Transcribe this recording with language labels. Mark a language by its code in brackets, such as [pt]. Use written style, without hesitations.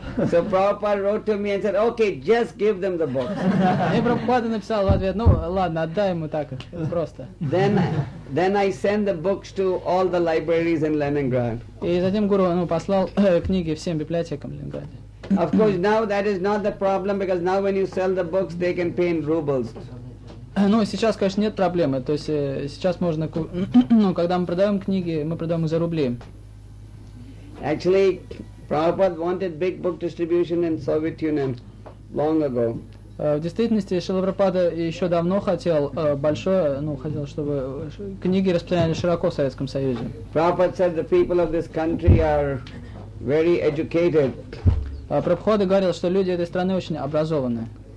[en] So Prabhupada wrote to me and said, okay, just give them the books. [ru] И Прабхупада написал в ответ, ладно, отдай ему так, просто. [en] Then I sent the books to all the libraries in Leningrad. [ru] И затем гуру послал книги всем библиотекам в Ленинграде. [en] Of course, now that is not the problem because now when you sell the books, they can pay in rubles. [ru] Сейчас, конечно, нет проблемы. То есть сейчас можно, когда мы продаем книги, мы продаем их за рубли. [en] Actually, Prabhupada wanted big book distribution in Soviet Union long ago. [ru] В действительности, Шрила Прабхупада еще давно хотел хотел, чтобы книги распространялись широко в Советском Союзе. [en] Prabhupada said the people of this country are very educated. [ru] Прабхупада говорил, что люди этой страны очень образованы.